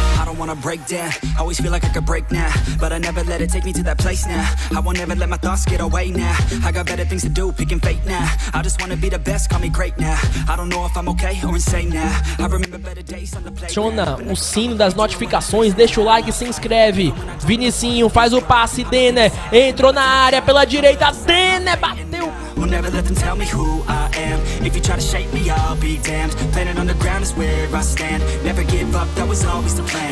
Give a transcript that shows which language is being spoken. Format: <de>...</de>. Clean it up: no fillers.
<en>I don't wanna break down. I always feel like I could break now, but I never let it take me to that place now. I won't ever let my thoughts get away now. I got better things to do, picking fate now. I just wanna be the best, call me great now. I don't know if I'm okay or insane now. I remember better days on the playground.</en> <pt>Funciona o sino das notificações, deixa o like e se inscreve. Vinicinho faz o passe, Dene entrou na área pela direita, Dene bateu.</pt> <en>We'll never let them tell me who I am. If you try to shape me, I'll be damned. Planet on the ground is where I stand. Never give up, that was always the plan.</en>